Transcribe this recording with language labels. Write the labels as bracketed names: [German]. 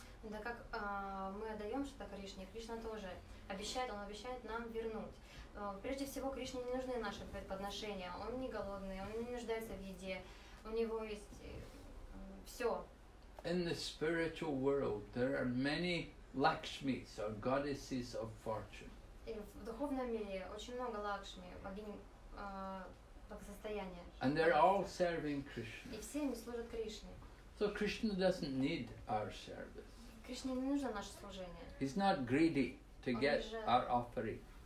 [Russian] Да как мы отдаем что-то Кришне, Кришна тоже обещает. Он обещает нам вернуть. Прежде всего, Кришне не нужны наши подношения. Он не голодный, он не нуждается в еде. У него есть все. [English] In the spiritual world, there are many Lakshmis or goddesses of fortune. [Russian] И в духовном мире очень много Лакшми, богинь благосостояния. [English] And they're all serving Krishna. [Russian] И все они служат Кришне. [English] So Krishna doesn't need our service. [Russian] Кришне не нужно наше служение. [English] He's not greedy to get our offering.